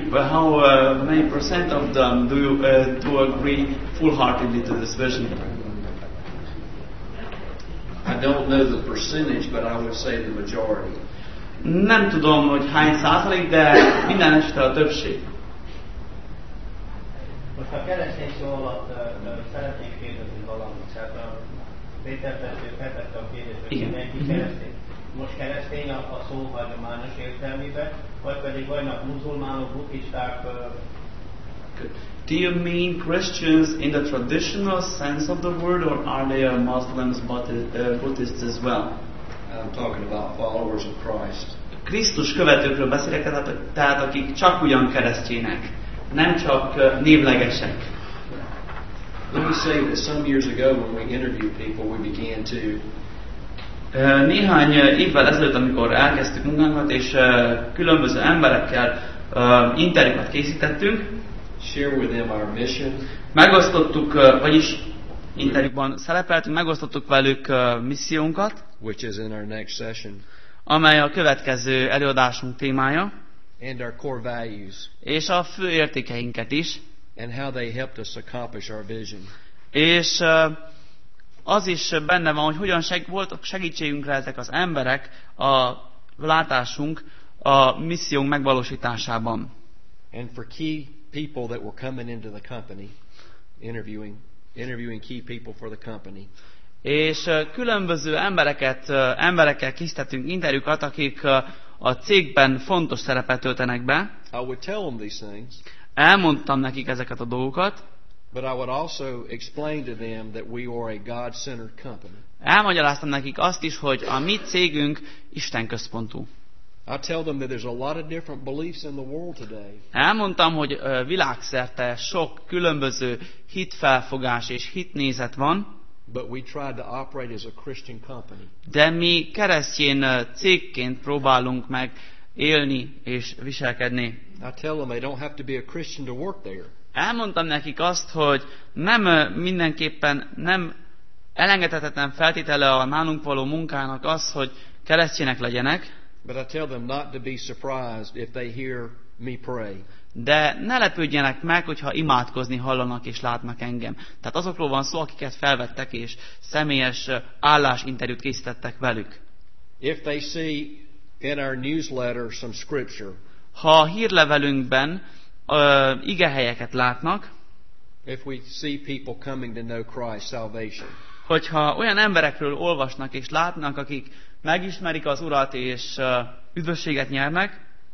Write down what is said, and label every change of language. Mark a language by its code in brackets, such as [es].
[en] How many percent of them do agree full-heartedly to this vision? I don't know the percentage, but I would say the majority. [hu] Nem tudom, hogy hány százalék, de minden esetre a többség. Most a keresés alatt szeretnék kérdezni valamit, hát a Péter tesző feltette a kérdést, hogy mindenki keresztény. Most keresztény a szó hagyományos értelmében, vagy pedig vannak muzulmánok, buddhisták. [en] Do you mean Christians in the traditional sense of the word, or are they Muslims, Buddhists as well? I'm talking about followers of Christ. [hu] Krisztus követőkről beszélek, tehát akik csak ugyan keresztjének, nem csak névlegesek. [en] Let me say that some years ago when we interviewed people, we began to... [hu] Néhány évvel ezelőtt, amikor elkezdtük munkánkat, és különböző emberekkel interjúkat készítettünk, [en] share with them our mission. [hu] Megosztottuk, vagyis interjúban szerepeltünk, megosztottuk velük missziónkat, [en] which is in our next session, [hu] amely a következő előadásunk témája, [en] and our core values, [hu] és a fő értékeinket is, [en] and how they helped us accomplish our vision. [hu] És az is benne van, hogy hogyan voltak segítségünkre ezek az emberek a látásunk a missziónk megvalósításában. [en] And for key people that were coming into the company interviewing key people for the company. [hu] És különböző emberekkel készítettünk interjúkat, akik a cégben fontos szerepet töltenek be. [en] I would tell them these things. [hu] Elmondtam nekik ezeket a dolgokat. [en] But I would also explain to them that we are a God-centered company. [hu] Elmagyaráztam nekik azt is, hogy a mi cégünk Isten központú. [en] I tell them that there's a lot of different beliefs in the world today. [hu] Elmondtam, hogy világszerte sok különböző hitfelfogás és hitnézet van. [en] But we try to operate as a Christian company. [hu] De mi keresztény cégként próbálunk meg élni és viselkedni. [en] I tell them they don't have to be a Christian to work there. [hu] Elmondtam nekik azt, hogy nem mindenképpen nem elengedhetetlen feltétele a nálunk való munkának az, hogy keresztények legyenek. [en] But I tell them not to be surprised if they hear me pray. [hu] De ne lepődjenek meg, hogyha imádkozni hallanak és látnak engem. Tehát azokról van szó, akiket felvettek és személyes állásinterjút készítettek velük. [en] If they see in our newsletter some scripture. [hu] Ha a hírlevelünkben igehelyeket látnak. [en] If we see people coming to know Christ, salvation. [hu] Hogyha olyan emberekről olvasnak és látnak, akik megismerik az Urat és üdvösséget nyernek.